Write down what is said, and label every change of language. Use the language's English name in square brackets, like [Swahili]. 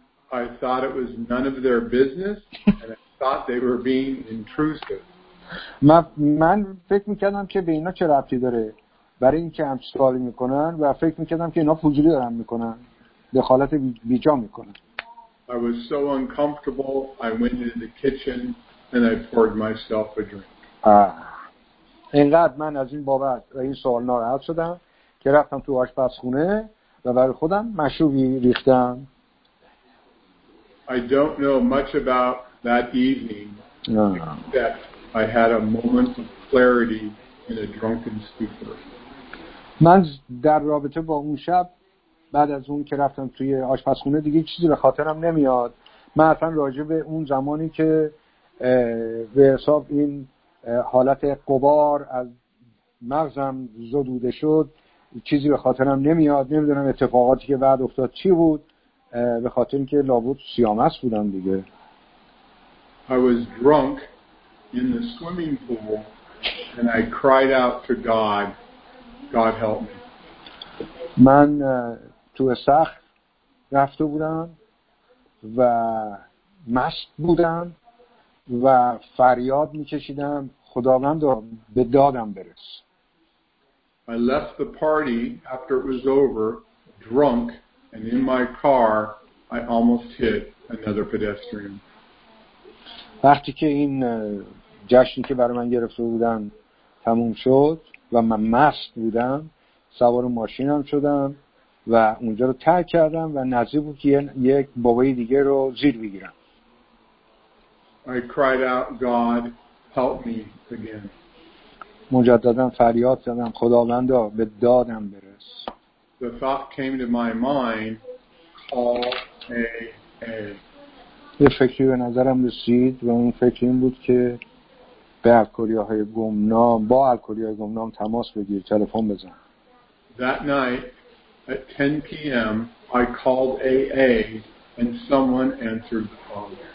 [English] I thought it was none of their business and I thought they were being intrusive. [Persian] من فکر میکردم که به اینا چه ربطی داره برای این که همچه سوالی میکنن و فکر میکردم که اینا فضولی دارن میکنن، دخالت بیجا میکنن. [English] I was so uncomfortable I went into the kitchen and I poured myself a drink. [Persian] اینقدر من از این بابت و این سوال ناراحت شدم که رفتم تو آشپزخونه و برای خودم مشروبی ریختم. [English] I don't know much about that evening except I had a moment of clarity in a drunken stupor. [Persian] من در رابطه با اون شب بعد از اون که رفتم توی آشپزخونه دیگه چیزی به خاطرم نمیاد. من اصلا راجع به اون زمانی که به حساب این حالت قبار از مغزم زدوده شد چیزی به خاطرم نمیاد. نمیدونم اتفاقاتی که بعد افتاد چی بود، به خاطر اینکه لابد سیامس بودم دیگه. [English] I was drunk in the swimming pool and I cried out to God, God help me. [Persian] من تو استخر رفته بودم و مست بودم و فریاد می‌کشیدم خداوند به دادم برس. [English] I left the party after it was over drunk and in my car I almost hit another pedestrian. [Persian] وقتی که این جشنی که برای من گرفته بودن تموم شد و من مست بودم، سوار ماشینم شدم و اونجا رو ترک کردم و نزدیک بود که یک بابای دیگه رو زیر بگیرم. [English] I cried out, God, help me again. [Persian] مجدداً فریاد زدم خداوندا به دادم برس. [English] The thought came to my mind, call AA. [Persian] یه فکری به نظرم رسید و اون فکر این بود که با الکلی‌های گمنام تماس بگیر، تلفن بزن. [English] That night at 10 p.m. I called AA and someone answered the call.